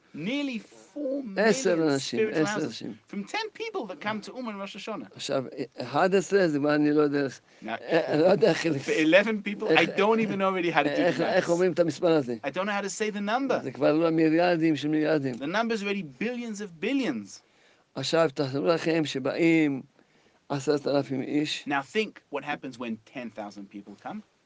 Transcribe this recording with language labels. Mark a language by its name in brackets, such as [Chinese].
[English] Nearly 4 million spiritual houses from 10 people that come to Umar Rosh Hashanah. [Hebrew] עכשיו, 11 זה מה אני לא יודע, לא יודע איך... [English] For 11 people, I don't even know really how to do that. [Hebrew] איך אומרים את המספר הזה? [English] I don't know how to say the number. [Hebrew] זה כבר לא מיליארדים של מיליארדים. [English] The number is already billions of billions. [Hebrew] עכשיו, תחשבו לכם שבאים 10,000 איש. [English] Now think what happens when 10,000 people come.